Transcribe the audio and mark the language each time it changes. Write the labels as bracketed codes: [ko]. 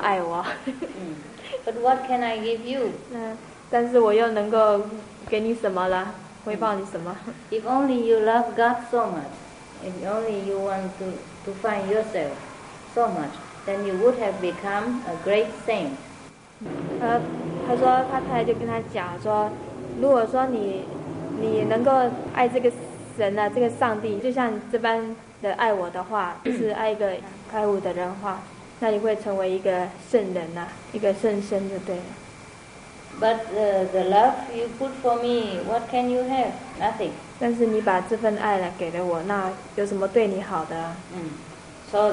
[zh] 他太太跟他讲说，老天爷，不知道你这么爱我。 [en] But what can I give you? [zh] 但是我又能够给你什么了，回报你什么？ [en] If only you love God so much, if only you want to find yourself so much, then you would have become a great saint. [zh] 他太太就跟他讲说，如果说你能够爱这个神啊，这个上帝，就像这般。的爱我的话，就是爱一个开悟的人的话，那你会成为一个圣人呐，一个圣身就对了。 [en] But the love you put for me, what can you have? Nothing. [zh] 但是你把这份爱来给了我，那有什么对你好的？ [en] So